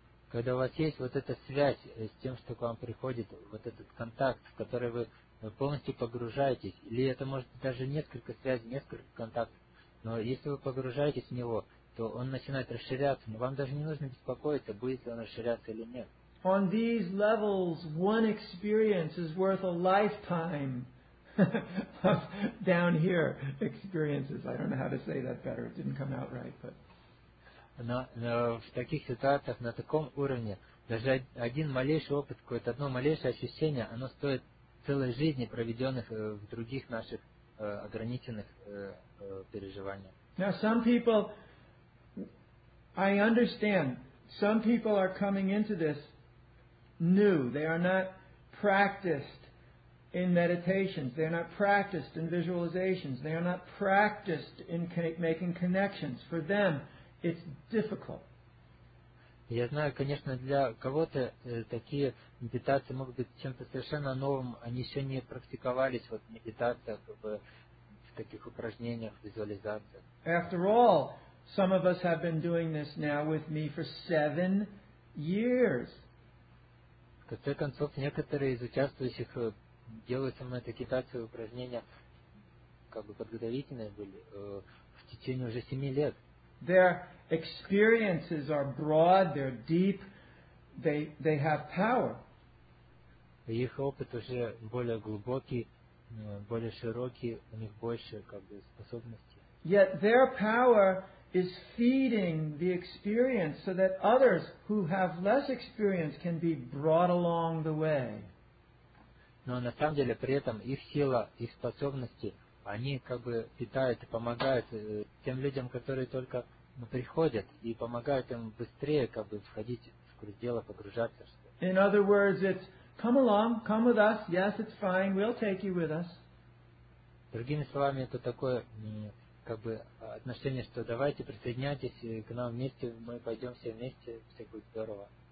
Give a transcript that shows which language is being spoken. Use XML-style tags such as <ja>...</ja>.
<ru>Когда у вас есть вот эта связь с тем, что к вам приходит, вот этот контакт, в который вы полностью погружаетесь, или это может быть даже несколько связей, несколько контактов, но если вы погружаетесь в него, то он начинает расширяться, но вам даже не нужно беспокоиться, будет ли он расширяться или нет.</ru> <en>On these levels, one experience is worth a lifetime of down here experiences. I don't know how to say that better. It didn't come out right, but.</en> <ru>Но в таких ситуациях, на таком уровне, даже один малейший опыт, какое-то одно малейшее ощущение, оно стоит целой жизни, проведенных в других наших ограниченных переживаниях.</ru> <en>Now some people, I understand, some people are coming into this new. They are not practiced in meditations. They are not practiced in visualizations. They are not practiced in making connections. For them, it's difficult.</en> <ru>Я знаю, конечно, для кого-то такие медитации могут быть чем-то совершенно новым. Они еще не практиковались вот медитация в таких упражнениях, визуализациях.</ru> <en>After all, some of us have been doing this now with me for 7 years.</en> <ru>В конце концов, некоторые из участвующих делают со мной такие упражнения как бы подготовительные были в течение уже 7 лет.</ru> <en>Their experiences are broad, they're deep, they have power.</en> <ru>Их опыт уже более глубокий, более широкий, у них больше как бы способностей.</ru> <en>Yet their power is feeding the experience so that others who have less experience can be brought along the way.</en> <ru>Но на самом деле при этом их сила, их способности, они как бы питают и помогают тем людям, которые только приходят и помогают им быстрее как бы входить в курс дела, погружаться.</ru> <en>In other words, it's come along, come with us. Yes, it's fine. We'll take you with us.</en> <ru>Другими словами, это такое как бы отношение, что давайте присоединяйтесь к нам вместе, мы пойдем все вместе, все будет здорово.</ru>